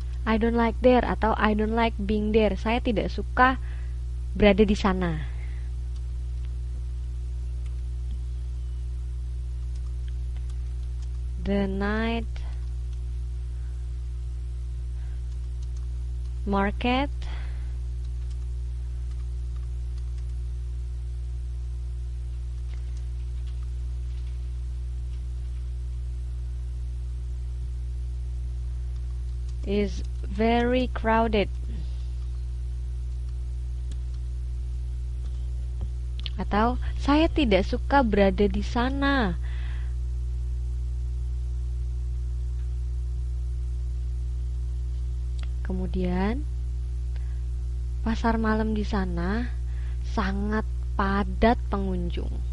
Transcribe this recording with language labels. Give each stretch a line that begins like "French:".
English: I don't like there atau I don't like being there.
Indonesian: Saya tidak suka berada di sana.
English: The night market is very crowded.
Indonesian: Atau saya tidak suka berada di sana. Kemudian, pasar malam di sana sangat padat pengunjung.